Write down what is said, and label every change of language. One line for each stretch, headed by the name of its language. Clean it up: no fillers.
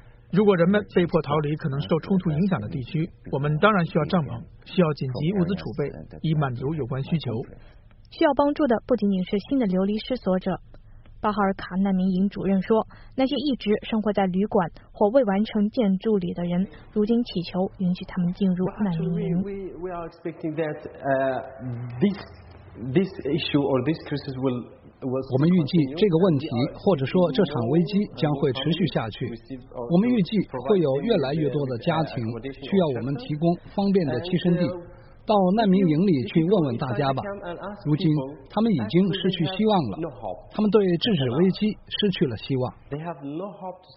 Chinese: 如果人们被迫逃离可能受冲突影响的地区，我们当然需要帐篷，需要紧急物资储备，以满足有关需求。需要帮助的不仅仅是新的流离失所者。巴哈尔卡难民营主任说，那些一直生活在旅馆或未完成建筑里的人，如今祈求允许他们进入难民营。
English: We are expecting that this issue or this crisis will。
Chinese: 我们预计这个问题或者说这场危机将会持续下去，我们预计会有越来越多的家庭需要我们提供方便的栖身地。到难民营里去问问大家吧，如今他们已经失去希望了，他们对制止危机失去了希望。